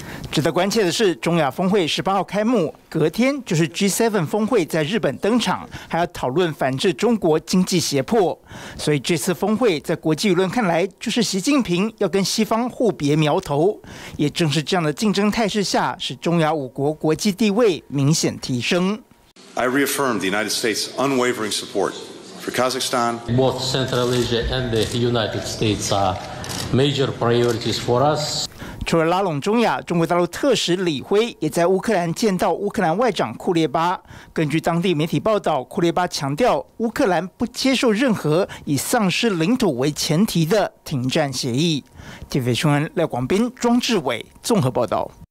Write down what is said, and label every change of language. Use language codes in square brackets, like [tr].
[zh] 值得关切的是，中亚峰会18号开幕，隔天就是 G7 峰会在日本登场，还要讨论反制中国经济胁迫。所以这次峰会在国际舆论看来，就是习近平要跟西方互别苗头。也正是这样的竞争态势下，使中亚5国国际地位明显提升。 [en] I reaffirm the United States' unwavering support for Kazakhstan. Both Central Asia and the United States are major priorities for us. [zh] 除了拉拢中亚，中国大陆特使李辉也在乌克兰见到乌克兰外长库列巴。根据当地媒体报道，库列巴强调乌克兰不接受任何以丧失领土为前提的停战协议。 TVBS新闻廖广斌、庄志伟综合报道。